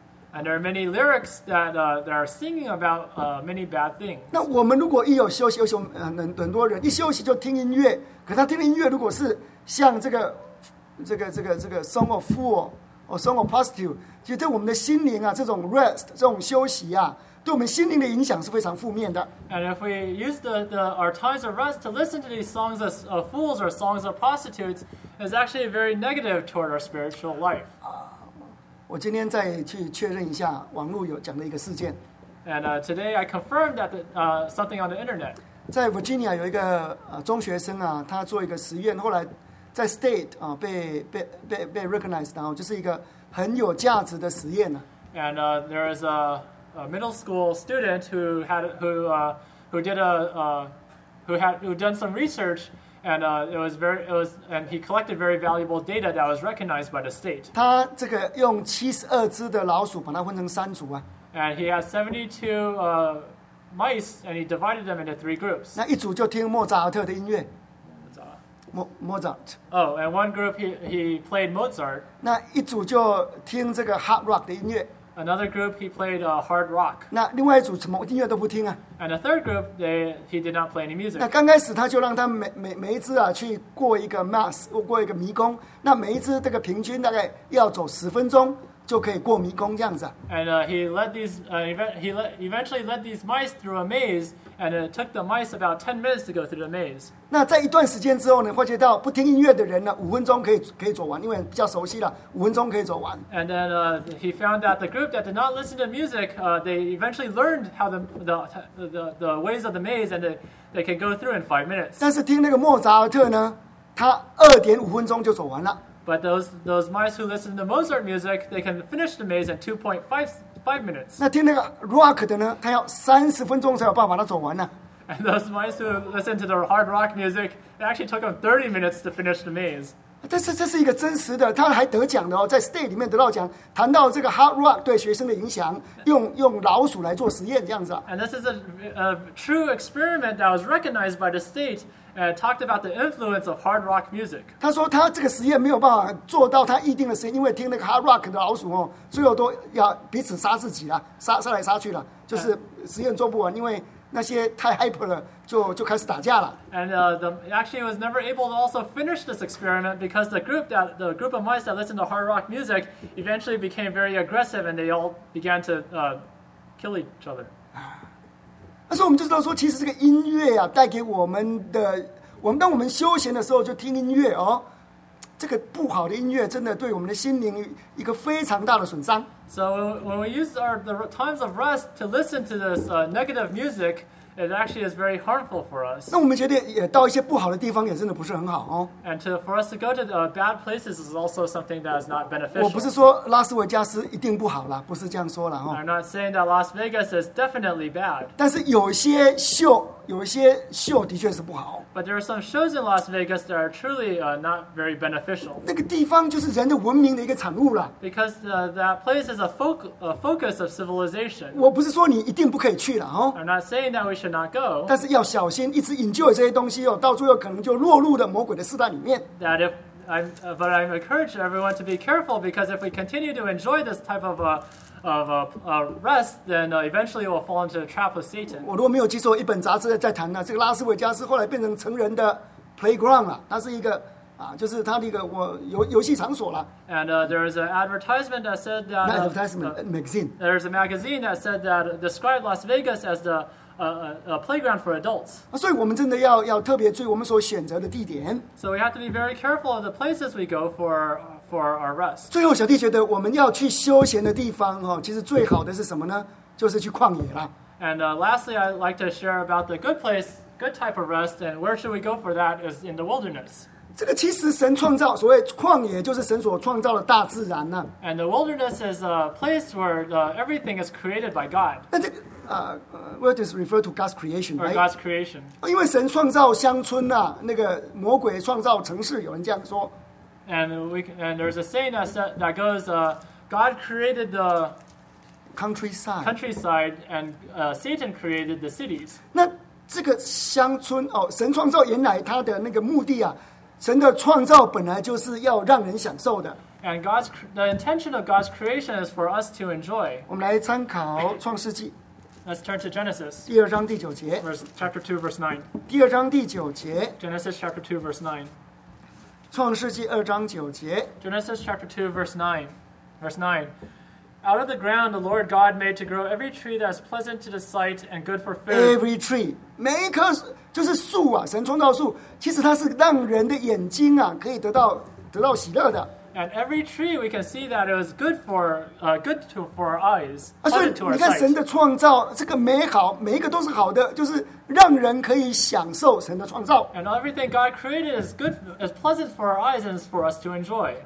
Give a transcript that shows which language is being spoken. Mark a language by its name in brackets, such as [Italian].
[English] And there are many lyrics that are singing about many bad things. [Chinese] 那我们如果一有休息，有很多人一休息就听音乐，可他听的音乐如果是像这个 [English] Song of Fool or Song of Prostitute， [Chinese] 其实对我们的心灵啊，这种 rest， 这种休息啊，对我们心灵的影响是非常负面的。 [English] And if we use our times of rest to listen to these songs of fools or songs of prostitutes, it's actually very negative toward our spiritual life. [Chinese] 我今天再去确认一下网络有讲的一个事件。 [English] And today I confirmed that something on the internet. [Chinese] 在 Virginia 有一个中学生啊，他做一个实验，后来在 state 啊被 recognized， 然后就是一个很有价值的实验呢。 [English] And there is a middle school student who had done some research And it was very, it was, and he collected very valuable data that was recognized by the state. [Chinese] 他这个用72只的老鼠把它分成三组啊。 [English] And he had 72 mice, and he divided them into three groups. [Chinese] 那一组就听莫扎特的音乐。 [English] Mozart. Oh, and one group he played Mozart. [Chinese] 那一组就听这个 hard rock 的音乐。 [English] Another group he played hard rock. [Chinese] 那另外一组什么音乐都不听啊。 [English] And a third group he did not play any music. [Chinese] 那刚开始他就让他每一只啊去过一个 mass 过一个迷宫，那每一只这个平均大概要走十分钟就可以过迷宫这样子啊。 [English] And he eventually led these mice through a maze, and it took the mice about 10 minutes to go through the maze. [Chinese] 那在一段时间之后呢，发觉到不听音乐的人呢，五分钟可以走完，因为比较熟悉了，五分钟可以走完。 [English] And then he found that the group that did not listen to music, they eventually learned how the ways of the maze, and they can go through in 5 minutes. [Chinese] 但是听那个莫扎特呢，他2.5分钟就走完了。 [English] But those mice who listen to Mozart music, they can finish the maze in 2.5 minutes. [Chinese] 那听那个 rock 的呢，他要30分钟才有办法把它走完呢。 [English] And those mice who listen to the hard rock music, it actually took them 30 minutes to finish the maze. [Chinese] 这是一个真实的，他还得奖的哦，在 state 里面得到奖，谈到这个 hard rock 对学生的影响，用老鼠来做实验这样子啊。 [English] And this is a true experiment that was recognized by the state. Talked about the influence of hard rock music. [Chinese] 他说他这个实验没有办法做到他预定的时间，因为听那个 hard rock 的老鼠哦，最后都要彼此杀自己了，杀来杀去了，就是实验做不完，因为那些太 hyper 了，就开始打架了。 [English] And actually was never able to also finish this experiment because the group of mice that listened to hard rock music eventually became very aggressive and they all began to kill each other. [Chinese] 但是我们就知道说，其实这个音乐啊，带给我们的，我们当我们休闲的时候就听音乐哦，这个不好的音乐真的对我们的心灵一个非常大的损伤。 [English] So when we use the times of rest to listen to this negative music, it actually is very harmful for us. [Chinese] 那我们觉得也到一些不好的地方也真的不是很好哦。 [English] And for us to go to the bad places is also something that is not beneficial. [Chinese] 我不是说拉斯维加斯一定不好了，不是这样说了哦。 [English] I'm not saying that Las Vegas is definitely bad. [Chinese] 但是有一些秀的确是不好。 [English] But there are some shows in Las Vegas that are truly not very beneficial. [Chinese] 那个地方就是人的文明的一个产物了。 [English] Because that place is a focus of civilization. [Chinese] 我不是说你一定不可以去了哦。 [English] I'm not saying that we should not go. [Chinese] 但是要小心，一直enjoy这些东西哦，到最后可能就落入了魔鬼的试探里面。 [English] That if but I encourage everyone to be careful because if we continue to enjoy this type of rest, then eventually we'll fall into the trap of Satan. [Chinese] 我如果没有记错，一本杂志在谈呢，这个拉斯维加斯后来变成成人的 playground 了，它是一个啊，就是它的一个我游戏场所了。 [English] And there is an advertisement that said that not advertisement magazine. There is a magazine that said that described Las Vegas as theA playground for adults. [Chinese] 所以我们真的要特别注意我们所选择的地点。 [English] So we have to be very careful of the places we go for our rest. [Chinese] 最后，小弟觉得我们要去休闲的地方哦，其实最好的是什么呢？就是去旷野啦。 [English] And lastly, I'd like to share about the good type of rest, and where should we go for that is in the wilderness. [Chinese] 这个其实神创造所谓旷野，就是神所创造的大自然呢、啊。 [English] And the wilderness is a place where everything is created by God. [Chinese] 那这个 [English] wilderness refer to God's creation, right? Or God's creation. [Chinese] 因为神创造乡村呐、啊，那个魔鬼创造城市，有人这样说。 [English] And there's a saying that goes, God created the countryside, and Satan created the cities. [Chinese] 那这个乡村哦，神创造原来他的那个目的啊。神的创造本来就是要让人享受的。 [English] And the intention of God's creation is for us to enjoy. [Chinese] 我们来参考创世纪。 [English] Let's turn to Genesis. [Chinese] 第二章第九节。 [English] Chapter 2, verse 9. [Chinese] 第二章第九节。 [English] Genesis chapter 2, verse 9. [Chinese] 创世纪二章九节。 [English] Genesis chapter 2, verse 9. Verse 9. Out of the ground the Lord God made to grow every tree that is pleasant to the sight and good for food. Every tree. [Chinese] 每一棵树。就是树啊，神创造树，其实它是让人的眼睛啊，可以得到喜乐的。 [English] And every tree we can see that it was good for our eyes. [Chinese] 啊，所以你看神的创造，这个美好，每一个都是好的，就是让人可以享受神的创造。 [English] And everything God created is good, is pleasant for our eyes and for us to enjoy.